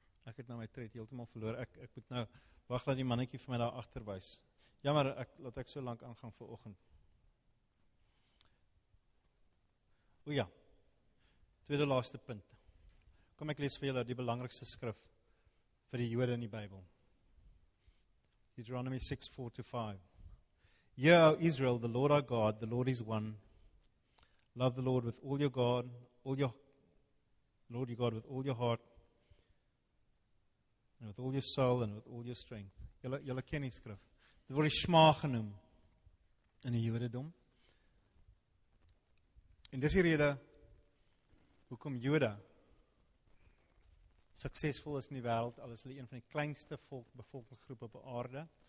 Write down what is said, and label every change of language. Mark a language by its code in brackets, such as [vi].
[af] Ek het nou my tred heeltemal verloor, ek moet nou wacht, laat die mannetjie vir my daar achter wees. Jammer, laat ek so lang aangang vir oggend. O ja, tweede laaste punt. Kom, ek lees vir julle die belangrikste skrif vir die Jode in die Bybel. [en] Deuteronomy 6:4-5. Hear, O Israel, the Lord our God, the Lord is one. Love the Lord with all your God, Lord your God with all your heart, and with all your soul and with all your strength. [af] Julle ken die skrif. Dit word die Shema genoem in die Jodedom. En dis die rede hoekom Jode suksesvol is in die wêreld, al is hulle een van die kleinste bevolkingsgroepe op aarde.